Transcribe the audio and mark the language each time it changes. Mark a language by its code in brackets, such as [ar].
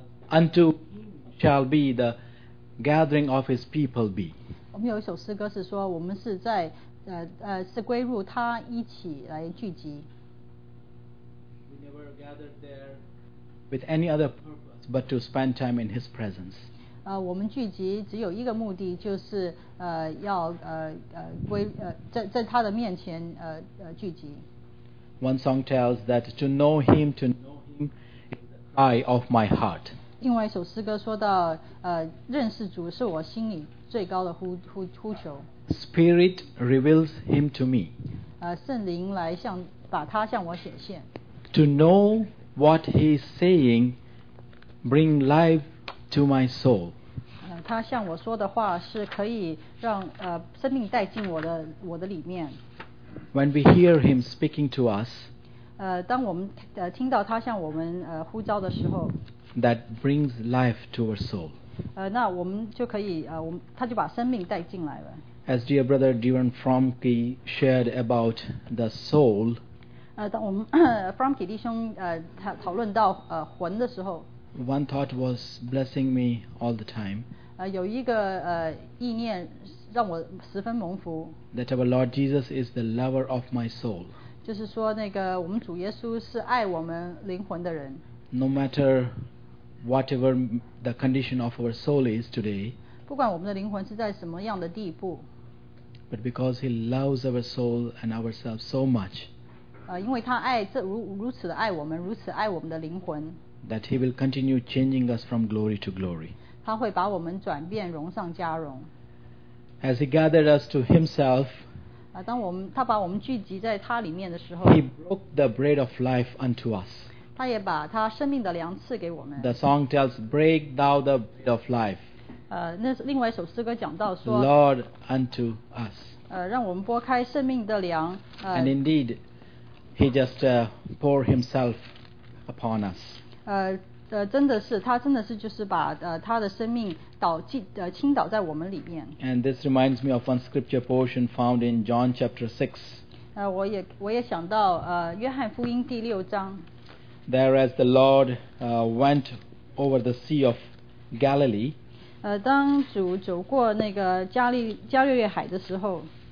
[en] Unto shall be the gathering of his people be. [zh] 我们有一首诗歌是说我们是在是归入他一起来聚集。 [en] We never gathered there with any other purpose but to spend time in his presence. [zh] 我们聚集只有一个目的，就是要归在他的面前聚集。 [en] One song tells that to know him, to know him is the cry of my heart. [zh] 另外一首诗歌说到认识主是我心里最高的呼求。 [en] Spirit reveals him to me. [zh] 圣灵来把他向我显现。 [en] To know what he is saying, bring life to my soul. [zh] 他向我说的话是可以让生命带进我的里面。 [en] When we hear him speaking to us, [zh] 当我们听到他向我们呼召的时候 [en] ，that brings life to our soul. [zh] 那我们就可以我们他就把生命带进来了。 [en] As dear brother Dewan Fromke shared about the soul, [zh] Fromke 弟兄他讨论到魂的时候， [en] one thought was blessing me all the time. [zh] 有一个意念让我十分蒙福。 [en] That our Lord Jesus is the lover of my soul. [zh] 就是说那个我们主耶稣是爱我们灵魂的人。 [en] No matter whatever the condition of our soul is today. [zh] 不管我们的灵魂是在什么样的地步， [en] but because he loves our soul and ourselves so much, [zh] 因为他爱这 如此的爱我们，如此爱我们的灵魂， [en] that he will continue changing us from glory to glory. [zh] 他会把我们转变，荣上加荣。 [en] As he gathered us to himself, [zh] 当我们他把我们聚集在他里面的时候， [en] he broke the bread of life unto us. [zh] 他也把他生命的粮赐给我们。 [en] The song tells, "Break thou the bread of life." [zh] 那另外一首诗歌讲到说 [en] Lord unto us, [zh] 让我们拨开生命的粮， [en] and indeed he just pour himself upon us, [zh] 真的是他真的是就是把他的生命倾倒在我们里面。 [en] And this reminds me of one scripture portion found in John chapter 6, [zh] 我也想到约翰福音第六章。 [en] There as the Lord went over the Sea of Galilee, [zh] 当主走过那个加利略海的时候，